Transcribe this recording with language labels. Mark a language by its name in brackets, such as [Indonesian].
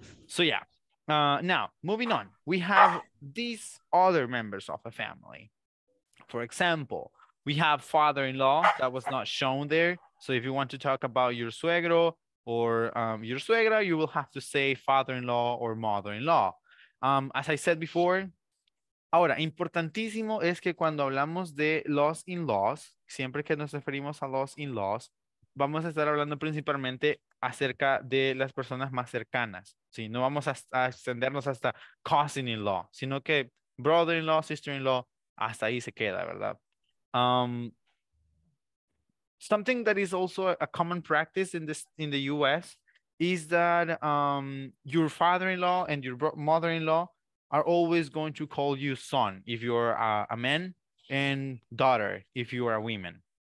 [English] So yeah, now moving on, we have these other members of the family. For example, we have father-in-law that was not shown there. So if you want to talk about your suegro or your suegra, you will have to say father-in-law or mother-in-law. As I said before, [Spanish] ahora, importantísimo es que cuando hablamos de los in-laws, siempre que nos referimos a los in-laws, vamos a estar hablando principalmente acerca de las personas más cercanas, ¿sí? No vamos a extendernos hasta cousin-in-law, sino que brother-in-law, sister-in-law, hasta ahí se queda, ¿verdad? [English] Something that is also a common practice in the US is that your father-in-law and your mother-in-law are always going to call you son if you're a man, and daughter if you are a woman.